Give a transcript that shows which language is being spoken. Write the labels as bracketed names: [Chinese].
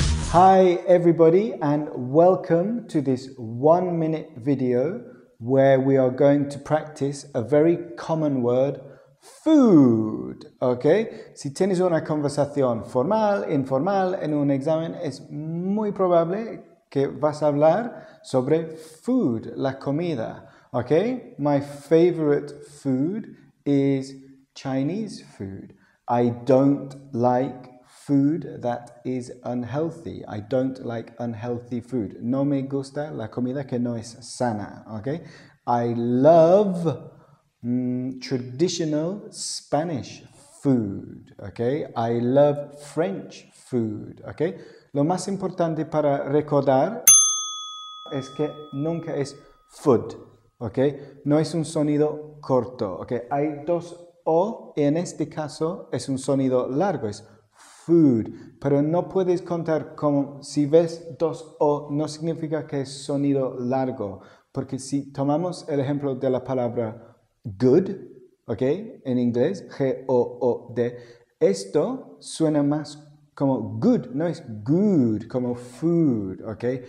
[English] Hi everybody and welcome to this 1 minute video where we are going to practice a very common word, food. Okay? [Spanish] Si tienes una conversación formal, informal, en un examen, es muy probable que vas a hablar sobre food, la comida. [English] Okay? My favorite food is Chinese food. I don't like food that is unhealthy. I don't like unhealthy food. [Spanish] No me gusta la comida que no es sana, okay? [English] I love traditional Spanish food, okay? I love French food, okay? [Spanish] Lo más importante para recordar es que nunca es food, okay? No es un sonido corto, okay? Hay dos O, y en este caso es un sonido largo, es food, pero no puedes contar como si ves dos O, no significa que es sonido largo, porque si tomamos el ejemplo de la palabra good, ok, en inglés, G-O-O-D, esto suena más como good, no es good, como food, ok.